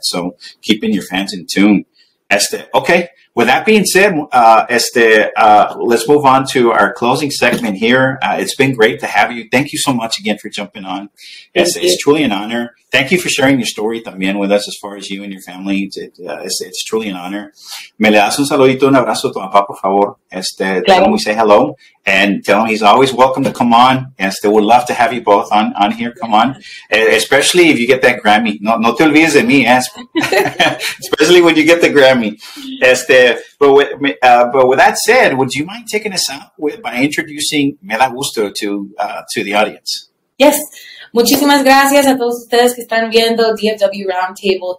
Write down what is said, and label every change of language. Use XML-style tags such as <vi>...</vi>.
<en>So keeping your fans in tune. Okay. With that being said, let's move on to our closing segment here. It's been great to have you. Thank you so much again for jumping on. It's truly an honor. Thank you for sharing your story</en> <es>también</es> <en>with us as far as you and your family. It's truly an honor.</en> <es>Me le das un saludito, un abrazo a tu papá, por favor.</es> <en>Tell him we say hello and tell him he's always welcome to come on. We'd love to have you both on here. Come on. Especially if you get that Grammy.</en> <es>No te olvides de mí.</es> <en>Especially when you get the Grammy. But with that said, would you mind taking us out by introducing Me Da Gusto to the audience? Yes.</en> <es>Muchísimas gracias a todos ustedes que están viendo DFW Roundtable.</es>